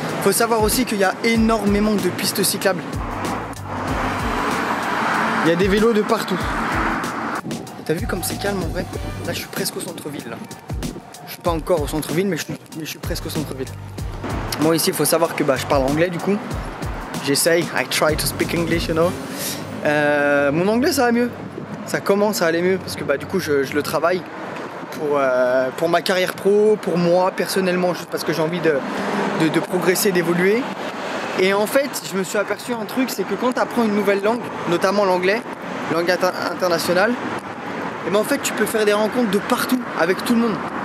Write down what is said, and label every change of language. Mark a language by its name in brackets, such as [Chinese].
[French] Faut savoir aussi qu'il y a énormément de pistes cyclables. Il y a des vélos de partout. T'as vu comme c'est calme en vrai? Là, je suis presque au centre-ville, là. Je suis pas encore au centre-ville, mais je suis presque au centre-ville. Bon, ici, il faut savoir que bah, je parle anglais, du coup. J'essaye, [English] I try to speak English, you know. [French] Mon anglais, ça va mieux. Ça commence à aller mieux, parce que bah, du coup, je le travaille pour ma carrière pro, pour moi, personnellement, juste parce que j'ai envie de progresser, d'évoluer. Et en fait, je me suis aperçu un truc, c'est que quand tu apprends une nouvelle langue, notamment l'anglais, langue internationale, et bah, en fait, tu peux faire des rencontres de partout, avec tout le monde.